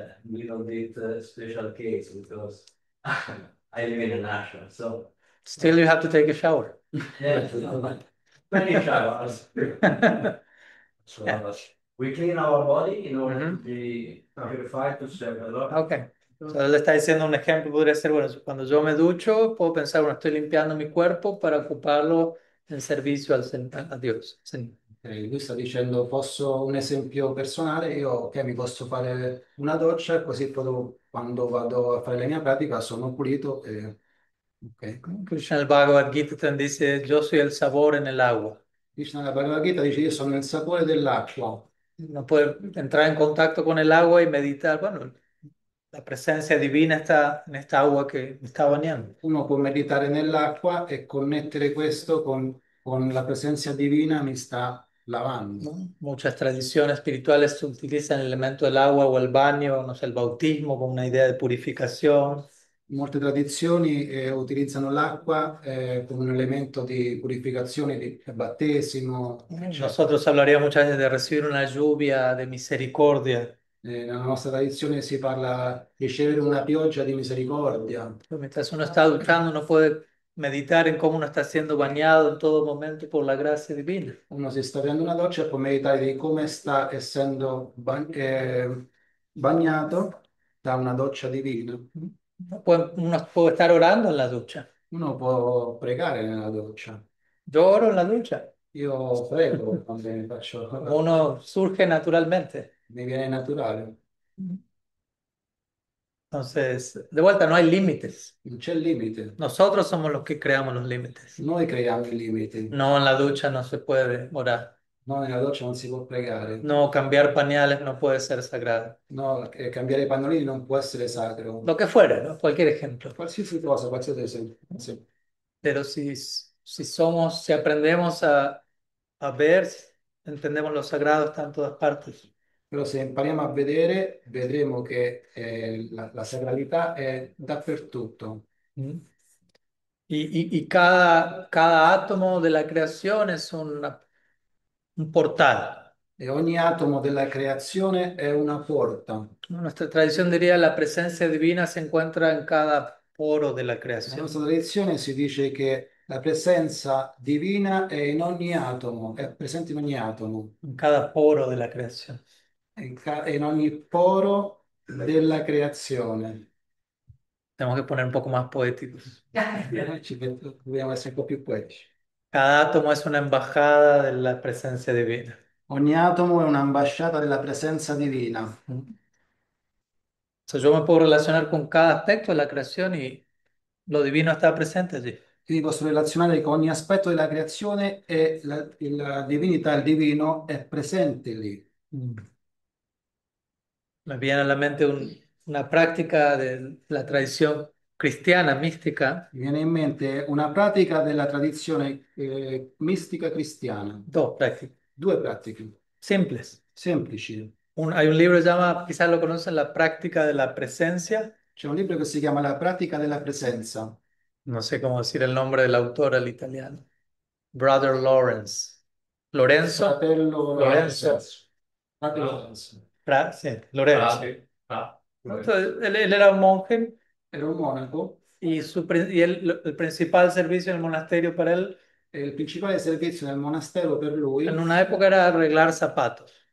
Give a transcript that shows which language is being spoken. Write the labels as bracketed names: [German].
[English] We don't need a special case because I live in an ashram, so Still, you have to take a shower. yes, many showers. So we clean our body in order to be purified to serve the Lord. Okay. [Spanish] So él está diciendo un ejemplo, podría ser, bueno, cuando yo me ducho, puedo pensar, bueno, estoy limpiando mi cuerpo para ocuparlo en servicio a Dios. Sí. [Italian] Lui sta dicendo, posso un esempio personale, io che okay, mi posso fare una doccia, così poi quando vado a fare la mia pratica sono pulito e Nel Bhagavad Gita dice: io sono il sapore nell'acqua. Krishna, la Bhagavad Gita dice: io sono il sapore dell'acqua. Non puoi entrare in contatto con l'acqua e meditare. Bueno, la presenza divina sta in questa acqua che mi sta bagnando. Uno può meditare nell'acqua e connettere questo con la presenza divina mi sta lavando. [Spanish] Muchas tradiciones espirituales utilizan el elemento del agua o el baño, no sé, el bautismo, con una idea de purificación. [Italian] Molte tradizioni utilizzano l'acqua come un elemento di purificazione, di battesimo, eccetera. [Spanish] Nosotros hablaríamos muchas veces de recibir una lluvia de misericordia. [Italian] Nella nostra tradizione si parla di ricevere una pioggia di misericordia. [Spanish] Mientras uno está duchando, uno puede meditar en cómo uno está siendo bañado en todo momento por la gracia divina. [Italian] Uno si sta prendendo una doccia e può meditare di come sta essendo bagnato da una doccia divina. Uno Uno può stare orando alla doccia. può pregare nella doccia. Io Gioro alla doccia. prego quando mi faccio. [Spanish] Uno surge naturalmente. [Italian] Mi viene naturale. [Spanish] Entonces, de vuelta, no hay límites. [Italian] Non c'è limite. [Spanish] Nosotros somos los que creamos los límites. [Italian] Noi creiamo i limiti. [Spanish] No, en la ducha no se puede orar. [Italian] No, nella doccia non si può pregare. [Spanish] No, cambiar pañales no puede ser sagrado. [Italian] No, cambiare i pannolini non può essere [Spanish] Lo [Italian] sacro. [Spanish] que fuera, ¿no? Cualquier ejemplo. [Italian] Qualsiasi cosa, qualsiasi esempio. Sì. [Spanish] Pero si aprendemos a ver, entendemos lo sagrado está en todas partes. [Italian] Però se impariamo a vedere, vedremo che la sacralità è dappertutto. [Spanish] Y cada átomo de la creación es un portal. [Italian] E ogni atomo della creazione è una porta. [Spanish] Nuestra tradición diría la presencia divina se encuentra en cada poro de la [Italian] Nella [Spanish] creación. [Italian] nostra tradizione si dice che la presenza divina è in ogni atomo, è presente in ogni atomo. In cada poro della creazione. In ogni poro della creazione. [Spanish] Tenemos que poner un poco más poéticos. [Italian] Dobbiamo essere un po' più poetici. [Spanish] Cada átomo es una embajada de la presencia divina. [Italian] Ogni atomo è un'ambasciata della presenza divina. [Spanish] So, yo me puedo relacionar con cada aspecto de la creación y lo divino está presente allí. [Italian] Quindi posso relazionare con ogni aspetto della creazione e la divinità, il divino è presente lì. Me viene alla mente una pratica della tradizione cristiana mistica. Mi viene in mente una pratica della tradizione mistica cristiana. Due [Spanish] Dos prácticas. [Italian] pratiche, [Spanish] Simples. [Italian] semplici. [Spanish] Hay un libro que se llama, quizás lo conocen, La práctica de la presencia. [Italian] C'è un libro che si chiama La pratica della presenza. [Spanish] No sé cómo decir el nombre del autor al italiano. [English] Brother Lawrence. Lorenzo. [Italian] Fratello Lorenzo. Lorenzo. Lorenzo. Frate. Ah, Lorenzo. [Spanish] Entonces, él era un monje [Italian] Era un monaco. [Spanish] y el principal servicio en el monasterio para él. [Italian] Il principale servizio del monastero per lui, [Spanish] En una época era arreglar zapatos.